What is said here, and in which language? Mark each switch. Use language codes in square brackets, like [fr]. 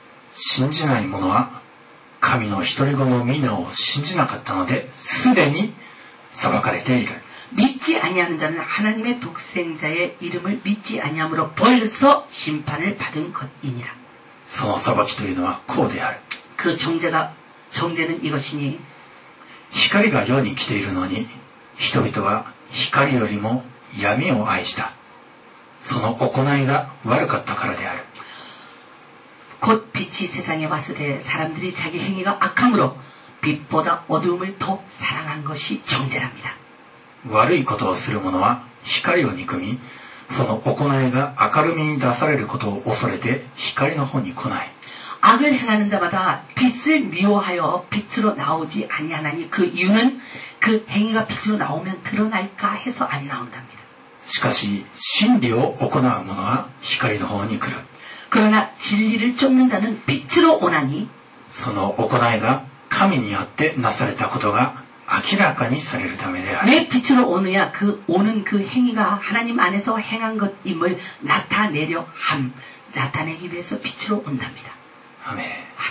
[ja] 신지ない者は神の一人子の御名を信じなかったのですでに裁かれている。 [ko] 믿지아니하는자는하나님의독생자의이름을믿지아니함으로벌써심판을받은것이니라。 [ja] その裁きというのはこうである。 [ko] 그정죄가정죄는이것이니 [ja] 光が世に来ているのに人々は光よりも闇を愛した。その行いが悪かったからである。 [ko] 곧빛이세상에왔을때사람들이자기행위가악함으로빛보다어두움을더사랑한것이정죄랍니다。 [ja] 悪いことをする者は光を憎み、その行いが明るみに出されることを恐れて光の方に来ない。 [ko] 악을행하는자마다빛을미워하여빛으로나오지아니하나니그이유는그행위가빛으로나오면드러날까해서안나온답니다。 [ja] しかし真理を行う者は光の方に来る。 [ko] 그러나진리를쫓는자는빛으로오나니 [ja] その行いが神によってなされたことが明らかにされるためである。 [ko] 왜빛으로오느냐그오는그행위가하나님안에서행한것임을나타내려함나타내기위해서빛으로온답니다。 아멘 아멘。